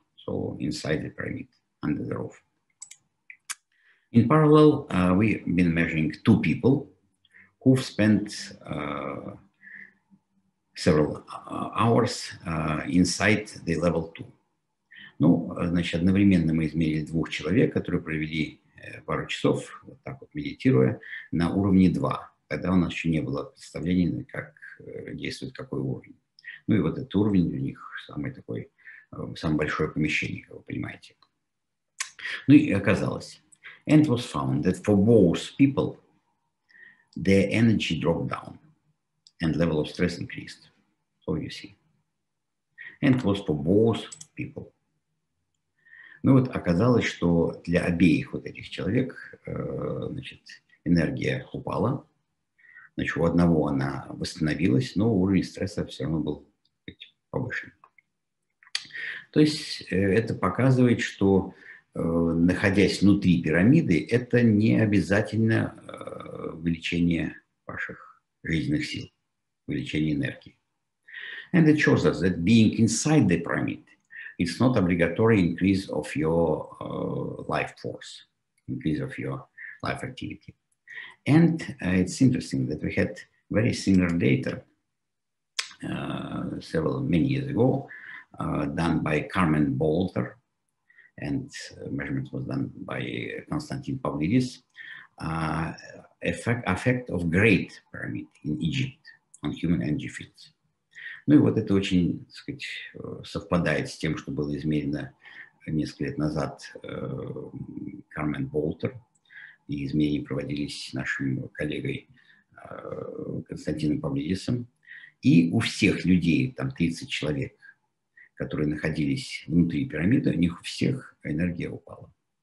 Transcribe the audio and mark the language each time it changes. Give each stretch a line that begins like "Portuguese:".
English: So inside the pyramid, under the roof. In parallel, we've been measuring two people who've spent several hours inside the level 2.
Russian: Ну, значит, одновременно мы измерили двух человек, которые провели пару часов, вот так вот медитируя, на уровне 2, когда у нас еще не было представления, как действует какой уровень. Ну и вот этот уровень у них самый такой, самое большое помещение, как вы понимаете. Ну и оказалось.
English: And it was found that for both people their energy dropped down and level of stress increased. So you see. And it was for both people.
Russian: Ну вот оказалось, что для обеих вот этих человек, значит, энергия упала. Значит, у одного она восстановилась, но уровень стресса все равно был повышен. То есть это показывает, что находясь внутри пирамиды, это не обязательно увеличение ваших жизненных сил, увеличение энергии.
English: And it shows us that being inside the pyramid, it's not obligatory increase of your life force, increase of your life activity. And it's interesting that we had very similar data many years ago, done by Carmen Bolter, and measurement was done by Konstantin Pavlidis, effect of great pyramid in Egypt on human energy fields.
Russian: Ну и вот это очень, так сказать, совпадает с тем, что было измерено несколько лет назад Кармен Болтер, и измерения проводились нашим коллегой Константином Павлидисом. И у всех людей, там 30 человек, которые находились внутри пирамиды, у них у всех энергия упала.